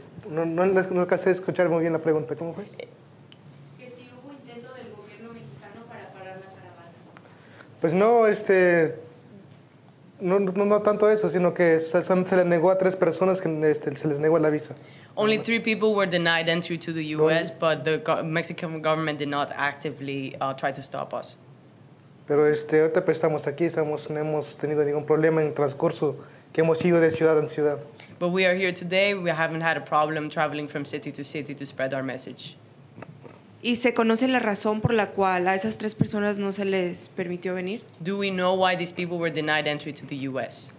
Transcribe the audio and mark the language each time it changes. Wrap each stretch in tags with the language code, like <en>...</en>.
<es>No, no alcancé a escuchar muy bien la pregunta. ¿Cómo fue? Que si hubo intento del gobierno mexicano para parar la caravana. Pues no, no tanto eso, sino que solamente se le negó a tres personas que se les negó la visa.</es> <en>Only three people were denied entry to the U.S., but the Mexican government did not actively try to stop us.</en> <es>Pero ahorita pues estamos aquí, no hemos tenido ningún problema en transcurso que hemos ido de ciudad en ciudad.</es> <en>But we are here today, we haven't had a problem traveling from city to spread our message.</en> <es>¿Y se conoce la razón por la cual a esas tres personas no se les permitió venir?</es> <en>Do we know why these people were denied entry to the U.S.?</en>